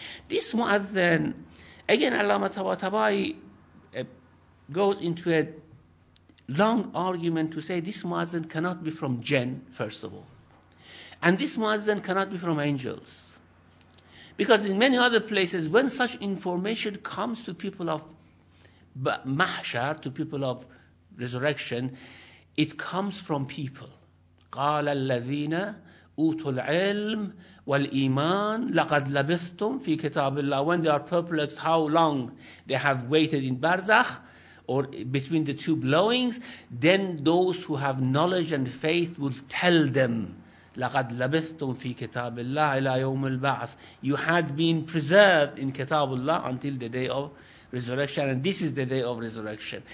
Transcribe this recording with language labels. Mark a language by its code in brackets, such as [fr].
[en] This mu'adhin, again, Allama Tabatabai goes into a long argument to say this mu'adhin cannot be from jinn, first of all. And this mu'adhin cannot be from angels. Because in many other places, when such information comes to people of mahshar, to people of resurrection, it comes from people. [ar] قال الذين أوتوا العلم والإيمان لقد لبستم في كتاب الله. [en] When they are perplexed how long they have waited in barzakh, or between the two blowings, then those who have knowledge and faith will tell them, [ar] لقد لبستم في كتاب الله إلى يوم البعث. [en] You had been preserved in كتاب الله until the day of resurrection, and this is the day of resurrection.